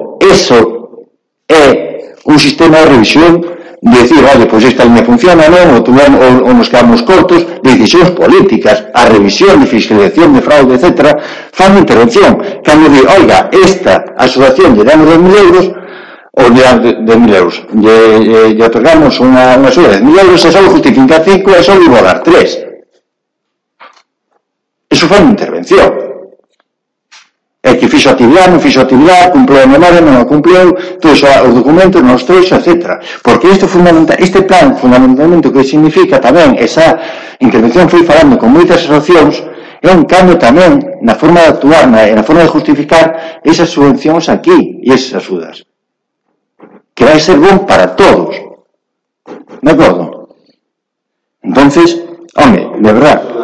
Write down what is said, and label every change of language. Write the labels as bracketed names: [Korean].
[Galician] Eso é un sistema de revisión. [Spanish] De decir, vale, pues esta línea funciona, ¿no? O nos quedamos cortos. [Galician] Decisións políticas, a revisión de fiscalización de fraude, etcétera, fan intervención. Cando di, oiga, esta asociación lle damos 2.000 euros, ou lle damos 2.000 euros, lle otorgamos unha suma de 10.000 euros, e só justifica 5, e só lle vou dar 3. Eso fan intervención. É que fixo actividade, non fixo actividade, cumpleu a memoria, non cumpleu, todos os documentos, non os trouxo, etc. Porque isto fundamental, este plan, fundamentalmente, o que significa tamén, esa intervención foi falando con moitas asociacións, é un cambio tamén na forma de actuar, na forma de justificar esas subvencións aquí e esas axudas. Que vai ser bom para todos. De acordo? [Spanish] Entonces, home, de verdad.